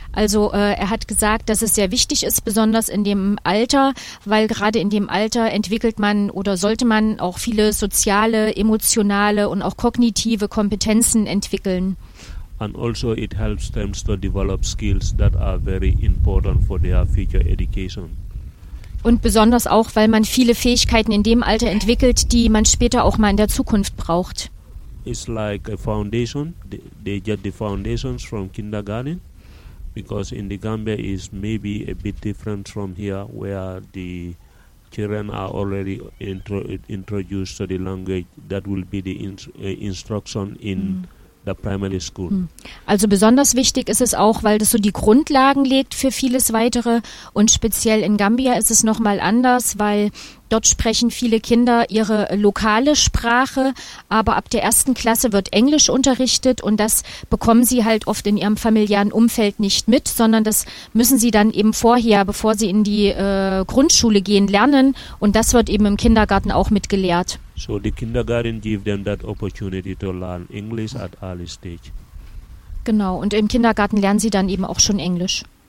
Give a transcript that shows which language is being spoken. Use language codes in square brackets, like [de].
[de] Also er hat gesagt, dass es sehr wichtig ist, besonders in dem Alter, weil gerade in dem Alter entwickelt man oder sollte man auch viele soziale, emotionale und auch kognitive Kompetenzen entwickeln. [en] And also it helps them to develop skills that are very important for their future education. [de] Und besonders auch, weil man viele Fähigkeiten in dem Alter entwickelt, die man später auch mal in der Zukunft braucht. [en] It's like a foundation. They get the foundations from kindergarten, because in the Gambia is maybe a bit different from here, where the children are already introduced to the language. That will be the instruction in the primary school. [de] Also besonders wichtig ist es auch, weil das so die Grundlagen legt für vieles Weitere. Und speziell in Gambia ist es nochmal anders, weil dort sprechen viele Kinder ihre lokale Sprache, aber ab der ersten Klasse wird Englisch unterrichtet und das bekommen sie halt oft in ihrem familiären Umfeld nicht mit, sondern das müssen sie dann eben vorher, bevor sie in die Grundschule gehen, lernen und das wird eben im Kindergarten auch mitgelehrt. [en] So the kindergarten gives them that opportunity to learn English at early stage. [de] Genau, und im Kindergarten lernen sie dann eben auch schon Englisch.